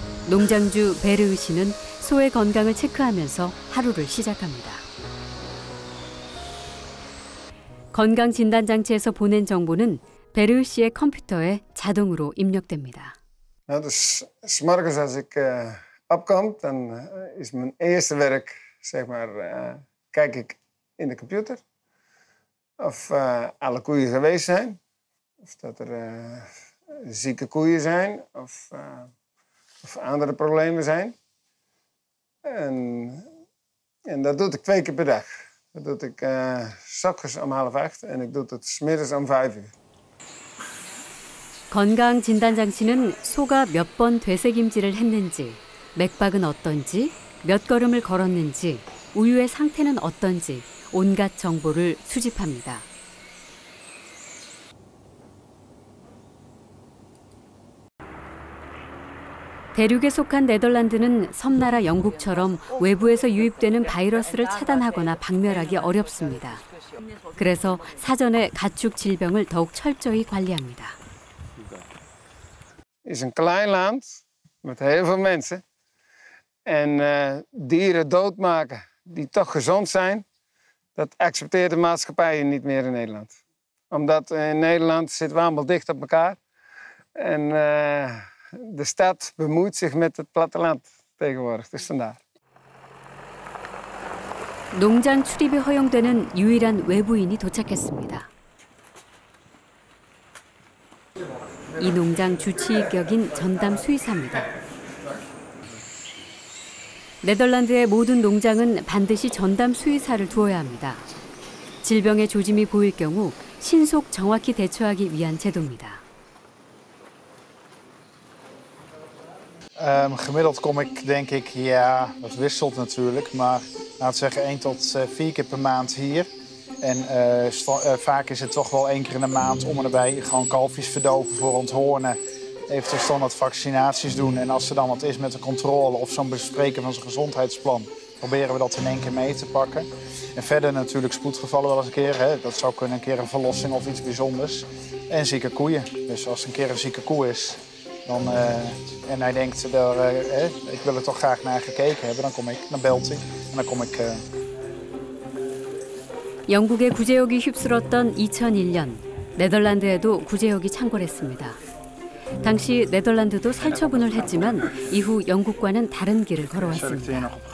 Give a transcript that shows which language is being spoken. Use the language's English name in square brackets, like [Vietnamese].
[Korean] 농장주 베르의 씨는 소의 건강을 체크하면서 하루를 시작합니다. 건강 진단 장치에서 보낸 정보는 베르의 씨의 컴퓨터에 자동으로 입력됩니다. [Dutch] Smorgens als ik opkom, dan is mijn eerste werk zeg maar kijk ik in de computer. Of alle koeien geweest zijn. Of dat er zieke koeien zijn. Of andere problemen zijn. En dat doe ik 2 keer per dag. Dat doe ik 's ochtends om 7:30 en ik doe het 's middags om 5:00. [Korean] 건강 진단 장치는 소가 몇 번 되새김질을 했는지, 맥박은 어떤지, 몇 걸음을 걸었는지, 우유의 상태는 어떤지 온갖 정보를 수집합니다. 대륙에 속한 네덜란드는 섬나라 영국처럼 외부에서 유입되는 바이러스를 차단하거나 박멸하기 어렵습니다. 그래서 사전에 가축 질병을 더욱 철저히 관리합니다. [Dutch] Is een klein land met heel veel mensen en dieren doodmaken die toch gezond zijn. Dat accepteert de maatschappij niet meer in Nederland. Omdat in Nederland zitten we allemaal dicht op elkaar. En de stad bemoeit zich met het platteland tegenwoordig. Dus vandaar. [Korean] 농장 출입이 허용되는 유일한 외부인이 도착했습니다. 이 농장 주치의격인 전담 수의사입니다. 네덜란드의 모든 농장은 반드시 전담 수의사를 두어야 합니다. 질병의 조짐이 보일 경우 신속 정확히 대처하기 위한 제도입니다. [Dutch] Gemiddeld kom ik denk ik, ja, dat wisselt natuurlijk, maar laat zeggen 1 tot 4 keer per maand hier. En vaak is het toch wel 1 keer in de maand om erbij gewoon kalfjes verdoven voor onthoornen. Eventueel standaard vaccinaties doen. En als er dan wat is met de controle of zo'n bespreken van zijn gezondheidsplan, proberen we dat in 1 keer mee te pakken. En verder natuurlijk spoedgevallen wel eens een keer. Hè. Dat zou kunnen een keer een verlossing of iets bijzonders. En zieke koeien. Dus als een keer een zieke koe is dan, en hij denkt, ik wil er toch graag naar gekeken hebben, dan kom ik, dan belt hij en dan kom ik. [Korean] 영국의 구제역이 휩쓸었던 2001년, 네덜란드에도 구제역이 창궐했습니다. 당시 네덜란드도 살처분을 했지만 이후 영국과는 다른 길을 걸어왔습니다.